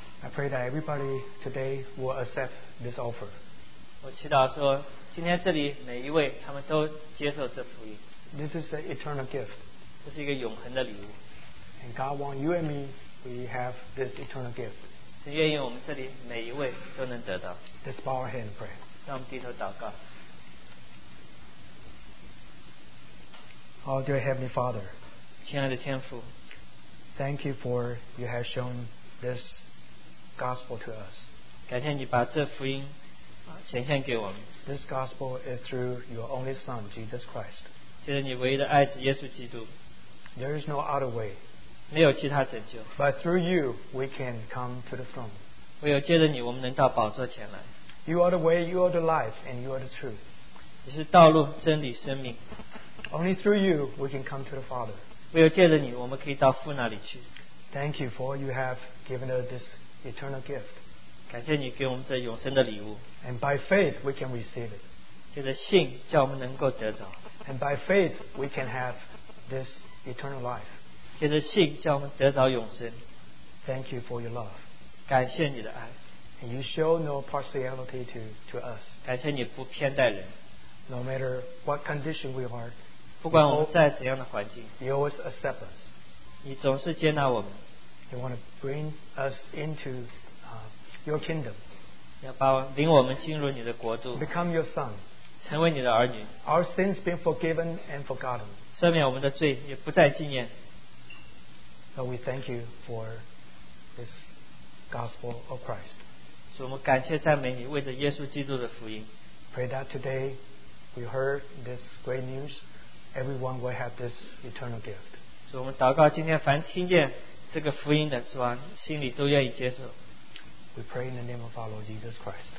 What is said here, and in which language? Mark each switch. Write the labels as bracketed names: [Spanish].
[English] pray that everybody today will accept this offer. [Chinese] 我祈祷说，今天这里每一位他们都接受这福音。 [English] This is the eternal gift. [Chinese] 这是一个永恒的礼物。 [English] And God wants you and me, we have this eternal gift. [Chinese] 是愿意我们这里每一位都能得到。 [English] Let's bow our hand and pray. [Chinese] 让我们低头祷告。 [English] Oh, dear Heavenly Father. [Chinese] 亲爱的天父。 [English] Thank you for you have shown this gospel to us. [Chinese] 感谢你把这福音显现给我们。 [English] This gospel is through your only Son, Jesus Christ. [Chinese] 就是你唯一的爱子耶稣基督。 [English] There is no other way. [Chinese] 没有其他拯救。 [English] But through you, we can come to the throne. [Chinese] 唯有借着你，我们能到宝座前来。 [English] You are the way, you are the life, and you are the truth. [Chinese] 你是道路、真理、生命。 [English] Only through you, we can come to the Father. [Chinese] 唯有借着你，我们可以到父那里去。 [English] Thank you for you have given us this eternal gift. [Chinese] 感谢你给我们这永生的礼物。 [English] And by faith, we can receive it. [Chinese] 借着信，叫我们能够得着。 [English] And by faith, we can have this eternal life. [Chinese] 借着信，叫我们得着永生。 [English] Thank you for your love. [Chinese] 感谢你的爱。 [English] And you show no partiality to us. [Chinese] 感谢你不偏待人。 [English] No matter what condition we are, [Chinese] 不管我们在怎样的环境, [English] you always accept us. [Chinese] 你总是接纳我们。 [English] You want to bring us into your kingdom. [Chinese] 要把领我们进入你的国度。 [English] Become your son. [Chinese] 成为你的儿女。 [English] Our sins been forgiven and forgotten. [Chinese] 赦免我们的罪也不再纪念。 [English] So we thank you for this gospel of Christ. [Chinese] 所以我们感谢赞美你为着耶稣基督的福音。 [English] Pray that today we heard this great news. Everyone will have this eternal gift. [Chinese] 所以我们祷告今天凡听见这个福音的主啊，心里都愿意接受。 [English] We pray in the name of our Lord Jesus Christ.